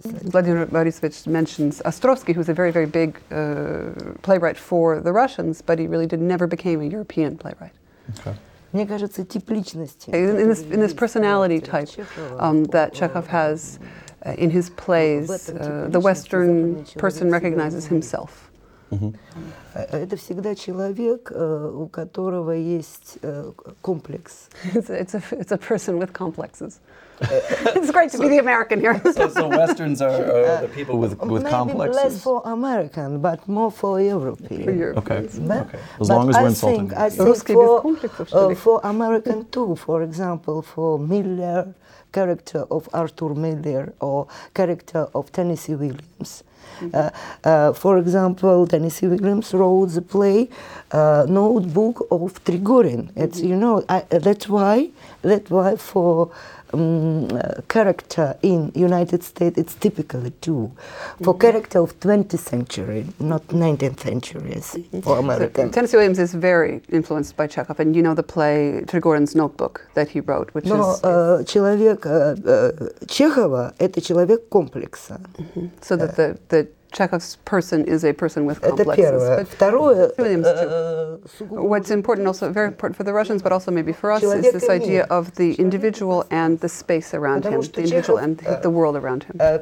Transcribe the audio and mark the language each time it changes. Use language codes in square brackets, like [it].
[en] Vladimir Borisovich mentions Ostrovsky, who's a very, very big playwright for the Russians, but he really never became a European playwright. Okay. In this personality type that Chekhov has in his plays, the Western person recognizes himself. [ru] Это всегда человек, у которого есть комплекс. [en] It's a person with complexes. It's great to be the American here. So Westerns are the people with complexes. Maybe less for American, but more for European. For Europeans. Okay. As long as we're insulting. For American too, for example, for Miller, character of Arthur Miller, or character of Tennessee Williams. For example, Tennessee Williams wrote the play Notebook of Trigorin. It's, you know, that's why for character in United States, it's typically two. For character of 20th century, not 19th century, for American. So, Tennessee Williams is very influenced by Chekhov, and you know the play Trigorin's Notebook that he wrote, which [ru] No, человек, Чехова – это человек комплекса. [en] So that the Chekhov's person is a person with complexes. What's important, also very important for the Russians, but also maybe for us, is this idea of the individual and the space around him, the individual and the world around him.